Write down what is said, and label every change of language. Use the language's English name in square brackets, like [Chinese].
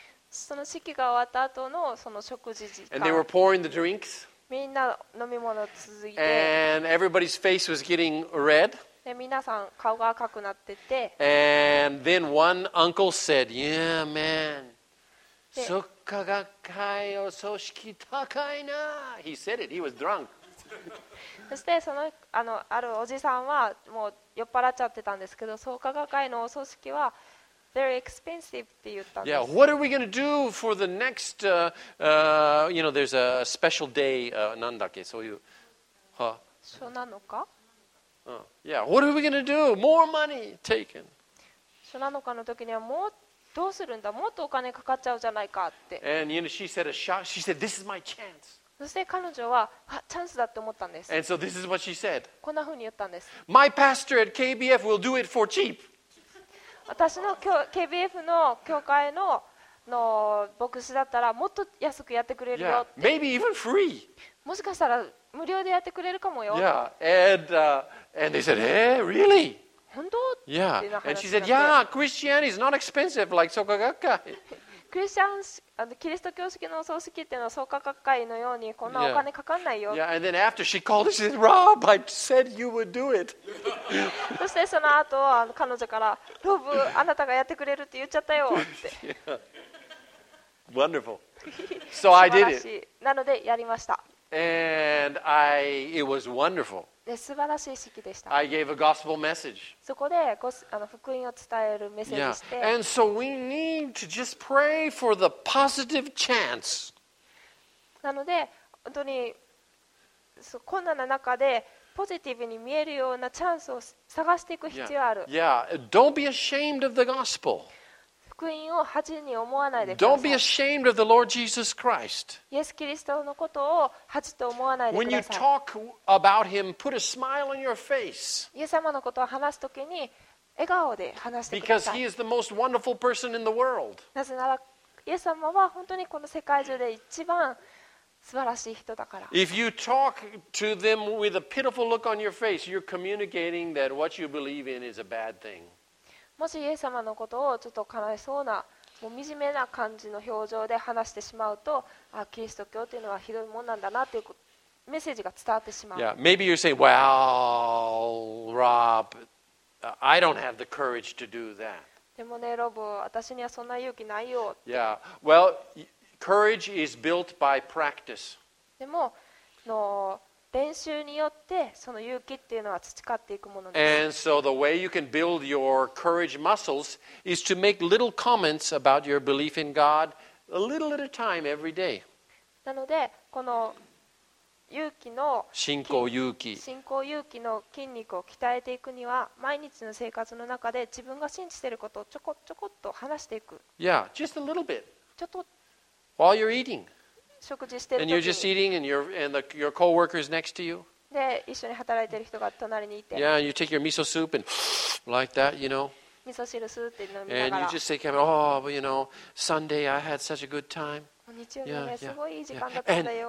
[Japanese] その式が終わった後のその食事時間。 [English] And they were pouring the drinks. [Japanese] みんな飲み物続いて。 [English] And everybody's face was getting red. [Japanese] で、皆さん顔が赤くなってて。 [English] And then one uncle said, "Yeah, man, Soka [Japanese] 価学会の組織高いな。 [English] He said it. He was drunk. [Japanese] そしてその、あの、あるおじさんはもう酔っ払っちゃってたんですけど、創価学会のお組織は [English] very expensive [Japanese] って言ったんです。 [English] Yeah, what are we going to do for the next, you know, there's a special day, [Japanese] なんだっけ、そういう、は、そうなのか。 [English] Yeah, what are we going to do? More money taken. [Japanese] そうなのかの時にはもうどうするんだ、もっとお金かかっちゃうじゃないかって。 [English] And you know, she said a shot. She said, "This is my chance." [Japanese] そして彼女はチャンスだって思ったんです。 [English] And so this is what she said. [Japanese] こんな風に言ったんです。 [English] My pastor at KBF will do it for cheap. [Japanese] 私の KBF の教会の牧師だったらもっと安くやってくれるよって。 [English] Yeah. Maybe even free. [Japanese] もしかしたら無料でやってくれるかもよ。 Yeah. [English] And they said, "Hey, really?" [Japanese] 本当？ Yeah. [English] And she said, "Yeah, Christianity is not expensive like Soka Gakkai." [Japanese] クリスチャン、あの、キリスト教式の葬式っていうのは創価学会のようにこんなお金かかんないよ。 [English] Yeah. Yeah. And then after she called, she said, "Rob, I said you would do it." [Japanese] そしてその後、あの、彼女から、ロブ、あなたがやってくれるって言っちゃったよって。 [English] Yeah. Wonderful. So I did it. [Japanese] なのでやりました。 [English] And it was wonderful. [Japanese] で、素晴らしい式でした。 [English] I gave a gospel message. [Japanese] そこで、あの、福音を伝えるメッセージして。 Yeah. [English] And so we need to just pray for the positive chance. [Japanese] なので、本当に、そう、困難な中でポジティブに見えるようなチャンスを探していく必要ある。 Yeah. Yeah. [English] Don't be ashamed of the gospel. [Japanese] 福音を恥に思わないでください。 [English] Don't be ashamed of the Lord Jesus Christ. [Japanese] イエス・キリストのことを恥と思わないでください。 [English] When you talk about him, put a smile on your face. [Japanese] イエス様のことを話すときに笑顔で話してください。 [English] Because he is the most wonderful person in the world. [Japanese] なぜならイエス様は本当にこの世界中で一番素晴らしい人だから。 [English] If you talk to them with a pitiful look on your face, you're communicating that what you believe in is a bad thing. [Japanese] もしイエス様のことをちょっと悲しそうな、もう惨めな感じの表情で話してしまうと、あ、キリスト教というのはひどいもんなんだなというメッセージが伝わってしまう。 [English] Yeah, maybe you're saying, "Well, Rob, I don't have the courage to do that." [Japanese] でもね、ロブ、私にはそんな勇気ないよ。 [English] Yeah, well, courage is built by practice. [Japanese] でも、の練習によってその勇気っていうのは培っていくものです。 [English] And so the way you can build your courage muscles is to make little comments about your belief in God a little at a time every day. [Japanese] なのでこの勇気の信仰勇気信仰勇気の筋肉を鍛えていくには毎日の生活の中で自分が信じていることをちょこちょこっと話していく。 [English] Yeah, just a little bit. [Japanese] ちょっと。 [English] While you're eating. [Japanese] 食事してる時 [English] に、and you're just eating, and your coworkers next to you. [Japanese] で、一緒に働いてる人が隣にいて、 [English] yeah, you take your miso soup and like that, you know. [Japanese] 味噌汁吸って飲みながら、 [English] and you just say, "Oh, you know, Sunday I had such a good time." [Japanese] 日曜日ね、yeah, yeah, すごいいい時間だったんだよ。